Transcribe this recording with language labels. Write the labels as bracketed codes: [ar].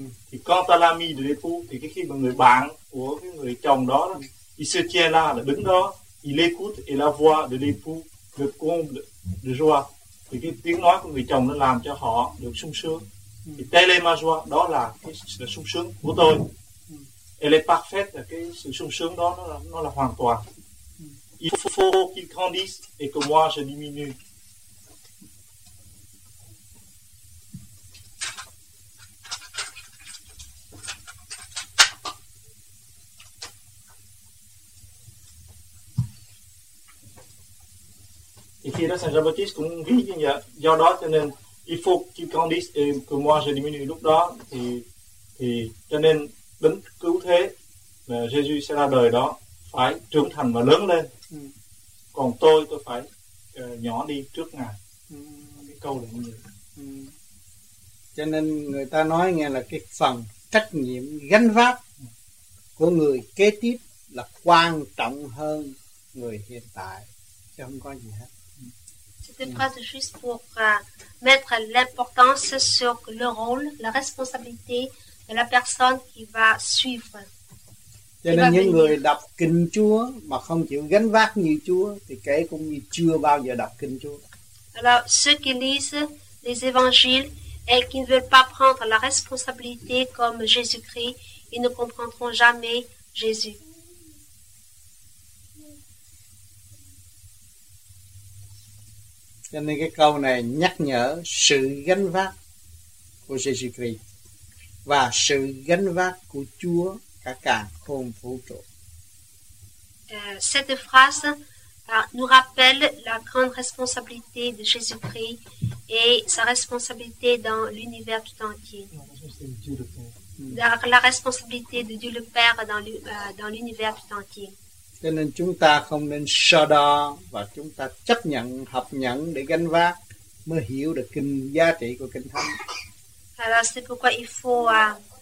[vi] Thì [fr] quand à l'ami de l'époux, [vi] thì cái khi mà người bạn của cái người chồng đó [fr] il se tient là [vi] đứng đó, [fr] il écoute et la voix de l'époux le comble de joie, [vi] thì cái tiếng nói của người chồng nó làm cho họ được sung sướng. Thì Telemachua đó là cái sự sung sướng của tôi. [fr] Elle est parfaite, [vi] là cái sự sung sướng đó nó là hoàn toàn. [fr] Il faut qu'il grandisse et que moi je diminue. [vi] Thì khi đó Saint Jean-Baptiste cũng ví như vậy. Do đó cho nên [fr] il faut qu'il grandisse et que moi je diminue. [vi] Lúc đó thì cho nên đấng cứu thế là Jésus sẽ ra đời đó phải trưởng thành và lớn lên. Còn tôi phải nhỏ đi trước ngài. Cái câu là như vậy. Cho nên người ta nói nghe là cái phần trách nhiệm gánh vác của người kế tiếp là quan trọng hơn người hiện tại, chứ không có gì hết. [fr] C'était presque juste pour mettre l'importance sur le rôle, la responsabilité de la personne qui va suivre. [vi] Cho nên những người đọc kinh Chúa mà không chịu gánh vác như Chúa thì kể cũng như chưa bao giờ đọc kinh Chúa. [fr] Alors ceux qui lisent les évangiles et qui ne veulent pas prendre la responsabilité comme Jésus-Christ, ils ne comprendront jamais Jésus. [vi] Cho nên cái câu này nhắc nhở sự gánh vác của Jésus-Christ và sự gánh vác của Chúa cả càn khôn vũ trụ. [fr] Cette phrase nous rappelle la grande responsabilité de Jésus-Christ et sa responsabilité dans l'univers tout entier. La responsabilité de Dieu le Père dans l'univers tout entier. [vi] Cho nên chúng ta không nên so đo và chúng ta chấp nhận, hợp nhận để gánh vác mới hiểu được kinh giá trị của kinh thánh. [fr] Alors c'est pourquoi il faut